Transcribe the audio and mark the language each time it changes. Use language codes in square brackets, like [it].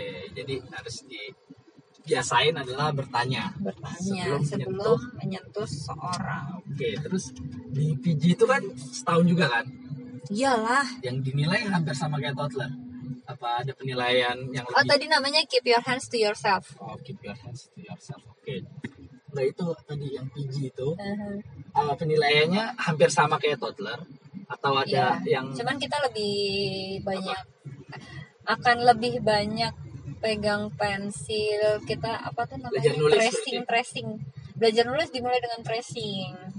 [id] Jadi harus di biasain adalah bertanya sebelum menyentuh seseorang. Oke, terus di PG itu kan setahun juga kan? Iyalah. Yang dinilai hampir sama kayak toddler. Apa ada penilaian yang lebih? [en] Oh, [id] tadi namanya [en] keep your hands to yourself. Oh, keep your hands to yourself. [id] Oke. Nah, itu tadi yang PG itu. Penilaiannya hampir sama kayak toddler atau ada yang cuman kita lebih banyak akan lebih banyak pegang pensil, kita apa tuh namanya, tracing. Belajar nulis dimulai dengan tracing.